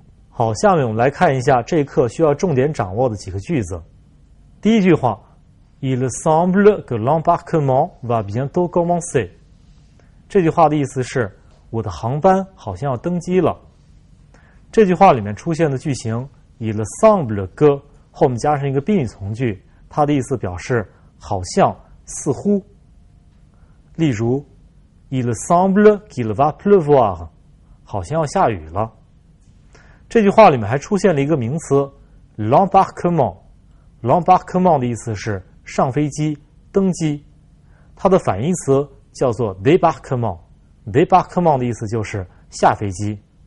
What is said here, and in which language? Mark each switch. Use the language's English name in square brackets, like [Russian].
[Chinese] 好，下面我们来看一下这一课需要重点掌握的几个句子。第一句话。 [French] Il semble que l'embarquement va bientôt commencer. [Chinese] 这句话的意思是，我的航班好像要登机了。这句话里面出现的句型 [French] il semble que [Chinese] 后面加上一个宾语从句，它的意思表示好像、似乎。 [French] 例如 ，Il semble qu'il va pleuvoir， [Chinese] 好像要下雨了。这句话里面还出现了一个名词 l'embarquement。 l'embarquement 的意思是。上飞机登机，它的反义词叫做 débarquement。 débarquement 的意思就是下飞机。